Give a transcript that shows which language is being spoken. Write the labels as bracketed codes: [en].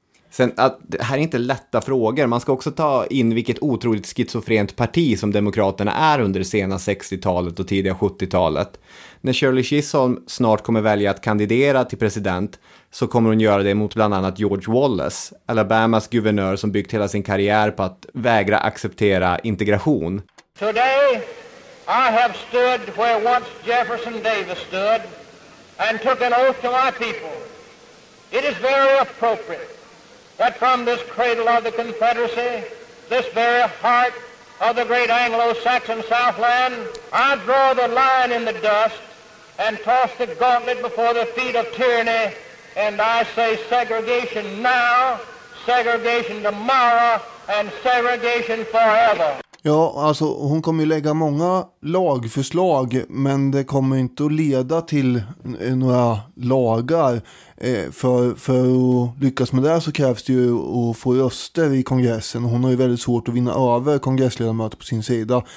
[sv] Sen, att, det här är inte lätta frågor. Man ska också ta in vilket otroligt schizofrent parti som Demokraterna är under det sena 60-talet och tidiga 70-talet. När Shirley Chisholm snart kommer välja att kandidera till president så kommer hon göra det mot bland annat George Wallace, Alabamas guvernör som byggt hela sin karriär på att vägra acceptera integration. [en] Today I have stood where once Jefferson Davis stood and took an oath to my people. It is very appropriate that from this cradle of the Confederacy, this very heart of the great Anglo-Saxon Southland, I draw the line in the dust and toss the gauntlet before the feet of tyranny, and I say segregation now, segregation tomorrow, and segregation forever. [sv] Ja, alltså hon kommer ju lägga många lagförslag, men det kommer inte att leda till några lagar. För att lyckas med det så krävs det ju att få röster i kongressen. Hon har ju väldigt svårt att vinna över kongressledamöter på sin sida.